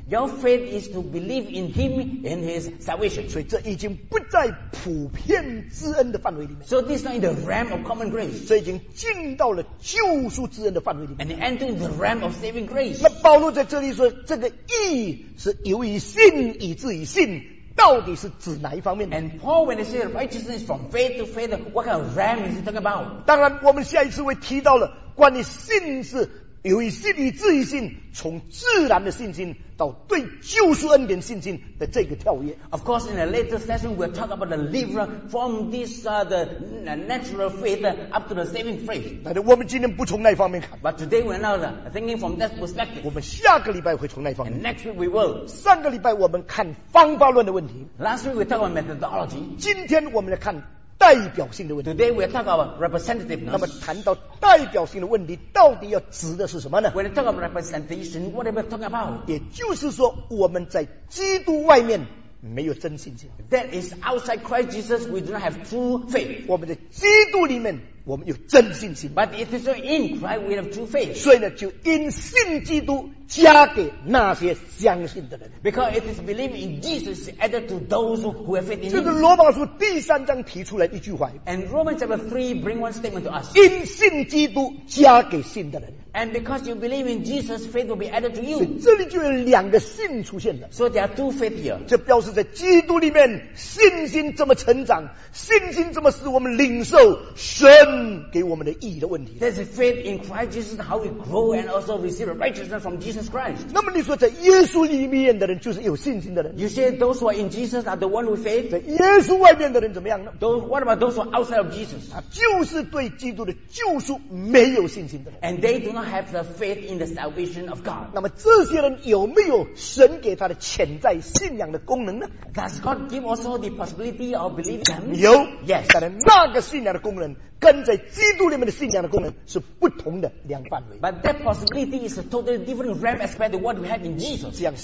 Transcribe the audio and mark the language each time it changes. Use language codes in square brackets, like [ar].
[en] your faith is to believe in him and his salvation. [zh] 所以这已经不在普遍之恩的范围里面, [en] so this is not in the realm of common grace. [zh] 这已经进到了救赎之恩的范围里面, [en] and enter the realm of saving grace. [zh] 那保罗在这里说, 这个义是由于信以至于信, 到底是指哪一方面? [en] And Paul, when he says righteousness from faith to faith, what kind of realm is he talking about? [zh] 当然我们下一次会提到了, 关于信是由于信以至于信, 从自然的信心, 到对救赎恩典信心的这个跳跃。 [en] Of course, in a later session, we'll talk about the lever from this the natural faith up to the saving faith. [zh] 但是我们今天不从那方面看, [en] but today we're not thinking from that perspective. [zh] 我们下个礼拜会从那方面看, [en] and next week we will. [zh] 上个礼拜我们看方法论的问题, [en] last week we talked about methodology. [zh] 今天我们来看 代表性的问题, [en] today we are talking about representativeness. [zh] 那么谈到代表性的问题, 到底要指的是什么呢? [en] When we talk about representation, what are we talking about? [zh] 也就是说, 我们在基督外面, 没有真信心。 [en] That is outside Christ Jesus, we do not have true faith. [zh] 我们在基督里面, 我们有真信心, [en] but it is in Christ we have true faith. [zh] 所以呢, 就因信基督, 加给那些相信的人, [en] because it is believing in Jesus added to those who have faith in him. [zh] 这是罗马书第三章提出来一句话, [en] and Romans chapter 3 bring one statement to us, [zh] 因信基督, 加给信的人, [en] and because you believe in Jesus, faith will be added to you. [zh] 这里就有两个信出现了, [en] so there are two faith here. [zh] 这表示在基督里面, 信心这么成长, 信心这么使我们领受神给我们的义的问题, [en] there's a faith in Christ Jesus, how we grow and also receive righteousness from Jesus Christ. [zh] 那么你说在耶稣里面的人就是有信心的人, [en] you say those who are in Jesus are the one with faith. [zh] 在耶稣外面的人怎么样呢? [en] What about those who are outside of Jesus? [zh] 就是对基督的救赎没有信心的人, [en] and they do not have the faith in the salvation of God. [zh] 那么这些人有没有神给他的潜在信仰的功能呢? [en] Does God give also the possibility of believing them? [zh] 有, [en] yes. [zh] 但是那个信仰的功能跟在基督里面的信仰的功能是不同的两范围, [en] but that possibility is a totally different realm as compared to what we have in Jesus.